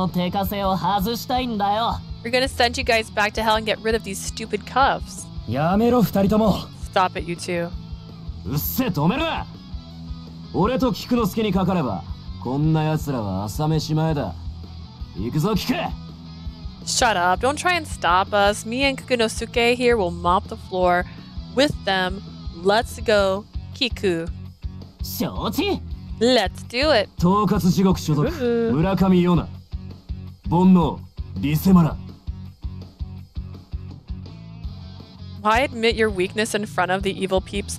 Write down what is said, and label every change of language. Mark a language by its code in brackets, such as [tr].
[ja] 俺たちはさっさとあんたたちを地獄送りにして、この手枷を外したいんだよ。 [en] We're gonna send you guys back to hell and get rid of these stupid cuffs. [ja] やめろ、二人とも。 [en] Stop it, you two. [ja] うっせ、止めるな。俺と菊之助にかかれば、こんな奴らは朝飯前だ。行くぞ、菊。 [en] Shut up, don't try and stop us. Me and Kikunosuke here will mop the floor with them. Let's go, Kiku. [ja] 承知? [en] Let's do it. [ja] 統括地獄所属、村上ヨナ。煩悩、リセマラ。 [en] Why admit your weakness in front of the evil peeps?